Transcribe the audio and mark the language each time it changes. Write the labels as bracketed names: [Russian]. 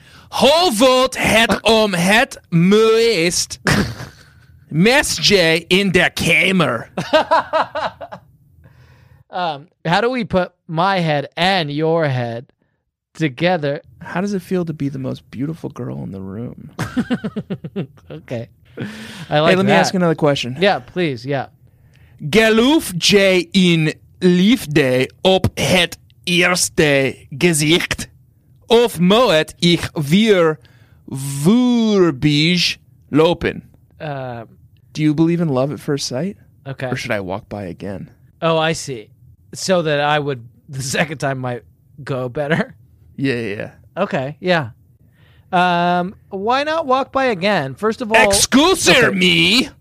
[Dutch] Hoe wordt het om het meest mesje in de kamer? [English] How do we put my head and your head together? How does it feel to be the most beautiful girl in the room? Okay. Let me ask another question. Yeah, please. Yeah. [Dutch] Geloof je in liefde op het eerste gezicht? Of moet ik weer voorbij lopen? [English] Do you believe in love at first sight? Okay. Or should I walk by again? Oh, I see. So that I would, the second time might go better? Yeah. Okay, yeah. Why not walk by again? First of all... Excuse me!